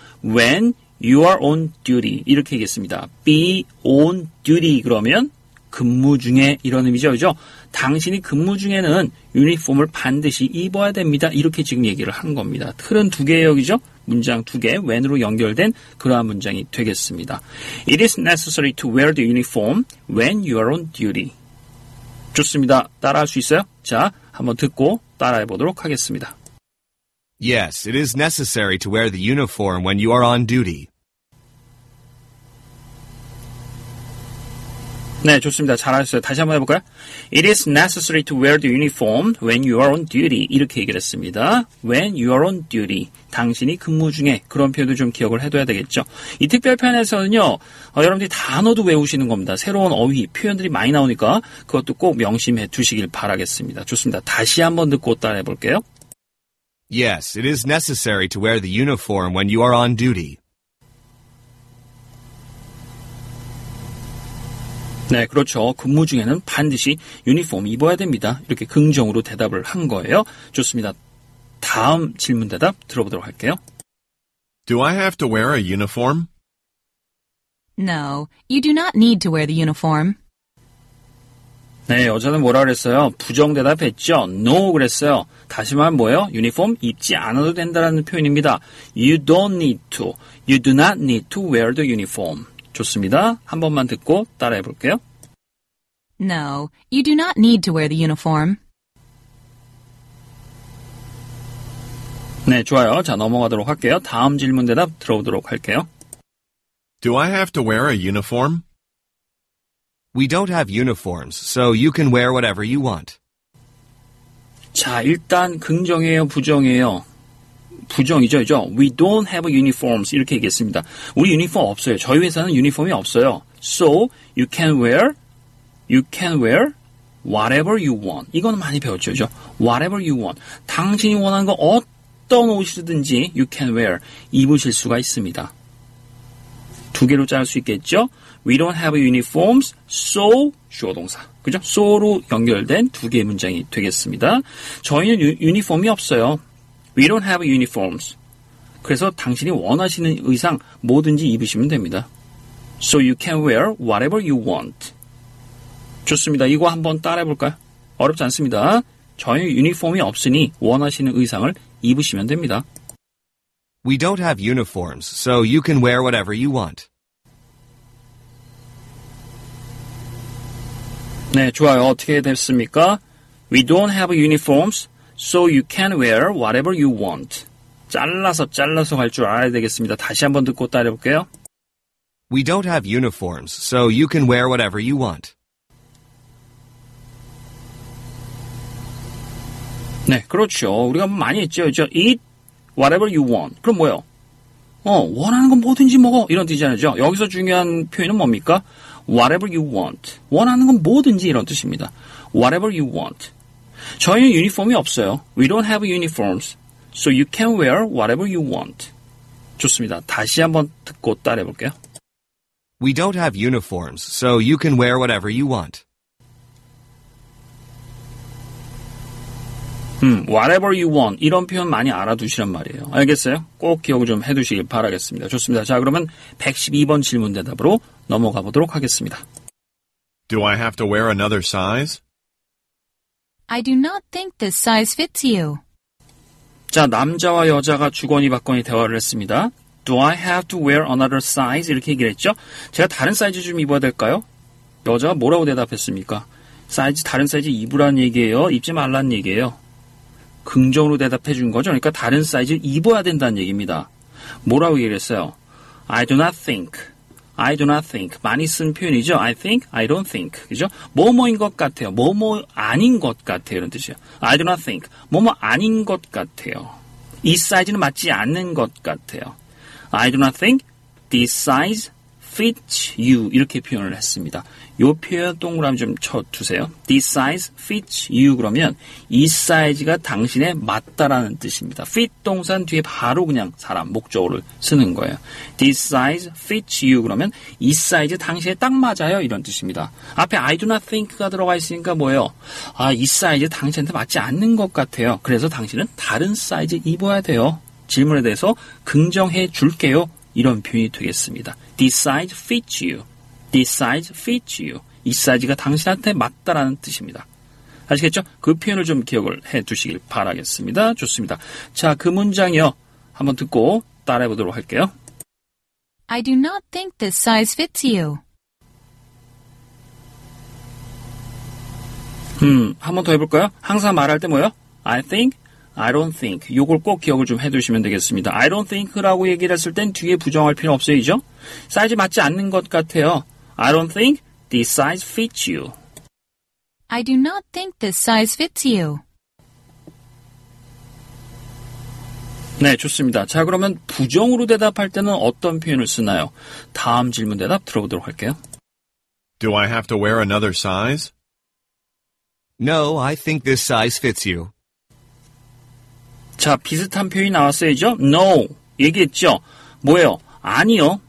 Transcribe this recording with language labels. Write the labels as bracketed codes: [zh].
[en] When you are on duty. [ko] 이렇게 얘기했습니다. [en] Be on duty. [ko] 그러면 근무 중에 이런 의미죠. 그죠? 당신이 근무 중에는 유니폼을 반드시 입어야 됩니다. 이렇게 지금 얘기를 한 겁니다. 틀은 두 개예요. 그죠? 문장 두 개. When으로 연결된 그러한 문장이 되겠습니다. [en] It is necessary to wear the uniform when you are on duty. [ko] 좋습니다. 따라할 수 있어요? 자, 한번 듣고 따라해 보도록 하겠습니다. [en] Yes, it is necessary to wear the uniform when you are on duty. [ko] 네, 좋습니다. 잘하셨어요. 다시 한번 해볼까요? [en] It is necessary to wear the uniform when you are on duty. [ko] 이렇게 얘기를 했습니다. [en] When you are on duty. [ko] 당신이 근무 중에 그런 표현도 좀 기억을 해둬야 되겠죠. 이 특별편에서는요. 여러분들이 단어도 외우시는 겁니다. 새로운 어휘, 표현들이 많이 나오니까 그것도 꼭 명심해 두시길 바라겠습니다. 좋습니다. 다시 한번 듣고 따라해볼게요. [en] Yes, it is necessary to wear the uniform when you are on duty. [ko] 네, 그렇죠. 근무 중에는 반드시 유니폼 입어야 됩니다. 이렇게 긍정으로 대답을 한 거예요. 좋습니다. 다음 질문 대답 들어보도록 할게요. [en] Do I have to wear a uniform? No, you do not need to wear the uniform. [ko] 네, 여자는 뭐라 그랬어요? 부정 대답했죠? No, 그랬어요. 다시 말하면 뭐예요? 유니폼 입지 않아도 된다라는 표현입니다. [en] You don't need to. You do not need to wear the uniform. [ko] 좋습니다. 한 번만 듣고 따라해 볼게요. [en] No, you do not need to wear the uniform. [ko] 네, 좋아요. 자, 넘어가도록 할게요. 다음 질문 대답 들어보도록 할게요. [en] Do I have to wear a uniform? We don't have uniforms, so you can wear whatever you want. [ko] 자, 일단 긍정이에요, 부정이에요? 부정이죠, 그죠? [en] We don't have uniforms. [ko] 이렇게 얘기했습니다. 우리 유니폼 없어요. 저희 회사는 유니폼이 없어요. [en] So, you can wear whatever you want. [ko] 이건 많이 배웠죠, 그죠? [en] Whatever you want. [ko] 당신이 원하는 거 어떤 옷이든지 [en] you can wear. [ko] 입으실 수가 있습니다. 두 개로 자를 수 있겠죠? [en] We don't have uniforms. So, [ko] 주어동사. 그죠? So로 연결된 두 개의 문장이 되겠습니다. 저희는 유니폼이 없어요. [en] We don't have uniforms. [ko] 그래서 당신이 원하시는 의상 뭐든지 입으시면 됩니다. [en] So you can wear whatever you want. [ko] 좋습니다. 이거 한번 따라해 볼까요? 어렵지 않습니다. 저희 유니폼이 없으니 원하시는 의상을 입으시면 됩니다. [en] We don't have uniforms, so you can wear whatever you want. [ko] 네, 좋아요. 어떻게 됐습니까? [en] We don't have uniforms. So you can wear whatever you want. [ko] 잘라서 갈 줄 알아야 되겠습니다. 다시 한번 듣고 따라해 볼게요. [en] We don't have uniforms, so you can wear whatever you want. [ko] 네, 그렇죠. 우리가 많이 했죠. 저 [en] eat whatever you want. [ko] 그럼 뭐예요? 원하는 건 뭐든지 먹어. 이런 뜻이잖아요. 여기서 중요한 표현은 뭡니까? [en] Whatever you want. [ko] 원하는 건 뭐든지 이런 뜻입니다. [en] Whatever you want. [ko] 저희는 유니폼이 없어요. [en] We don't have uniforms. So you can wear whatever you want. [ko] 좋습니다. 다시 한번 듣고 따라해 볼게요. [en] We don't have uniforms, so you can wear whatever you want. Whatever you want. [ko] 이런 표현 많이 알아두시란 말이에요. 알겠어요? 꼭 기억 좀 해두시길 바라겠습니다. 좋습니다. 자, 그러면 112번 질문 대답으로 넘어가 보도록 하겠습니다. [en] Do I have to wear another size? I do not think this size fits you. [ko] 자, 남자와 여자가 주거니 받거니 대화를 했습니다. [en] Do I have to wear another size? [ko] 이렇게 얘기를 했죠. 제가 다른 사이즈 좀 입어야 될까요? 여자가 뭐라고 대답했습니까? 사이즈, 다른 사이즈 입으라는 얘기예요? 입지 말라는 얘기예요? 긍정으로 대답해 준 거죠. 그러니까 다른 사이즈 입어야 된다는 얘기입니다. 뭐라고 얘기를 했어요? [en] I do not think. I do not think. [ko] 많이 쓴 표현이죠. [en] I think. I don't think. [ko] 그죠? 뭐뭐인 것 같아요. 뭐뭐 아닌 것 같아요. 이런 뜻이에요. [en] I do not think. [ko] 뭐뭐 아닌 것 같아요. 이 사이즈는 맞지 않는 것 같아요. [en] I do not think this size fits you. [ko] 이렇게 표현을 했습니다. 요 표현 동그라미 좀 쳐두세요. [en] This size fits you. [ko] 그러면 이 사이즈가 당신에 맞다라는 뜻입니다. fit 동사는 뒤에 바로 그냥 사람, 목적어를 쓰는 거예요. [en] This size fits you. [ko] 그러면 이 사이즈 당신에 딱 맞아요. 이런 뜻입니다. 앞에 [en] I do not think [ko] 가 들어가 있으니까 뭐예요? 아, 이 사이즈 당신한테 맞지 않는 것 같아요. 그래서 당신은 다른 사이즈 입어야 돼요. 질문에 대해서 긍정해 줄게요. 이런 표현이 되겠습니다. [en] This size fits you. This size fits you. [ko] 이 사이즈가 당신한테 맞다라는 뜻입니다. 아시겠죠? 그 표현을 좀 기억을 해 두시길 바라겠습니다. 좋습니다. 자, 그 문장이요. 한번 듣고 따라해 보도록 할게요. [en] I do not think this size fits you. [ko] 한번 더 해볼까요? 항상 말할 때 뭐예요? [en] I think. I don't think. [ko] 요걸 꼭 기억을 좀 해두시면 되겠습니다. [en] I don't think [ko] 라고 얘기를 했을 땐 뒤에 부정할 필요 없어요. 이죠? 사이즈 맞지 않는 것 같아요. [en] I don't think this size fits you. I do not think this size fits you. [ko] 네, 좋습니다. 자, 그러면 부정으로 대답할 때는 어떤 표현을 쓰나요? 다음 질문 대답 들어보도록 할게요. [en] Do I have to wear another size? No, I think this size fits you. [ko] 자, 비슷한 표현이 나왔어야죠. No, 얘기했죠. 뭐예요? 아니요.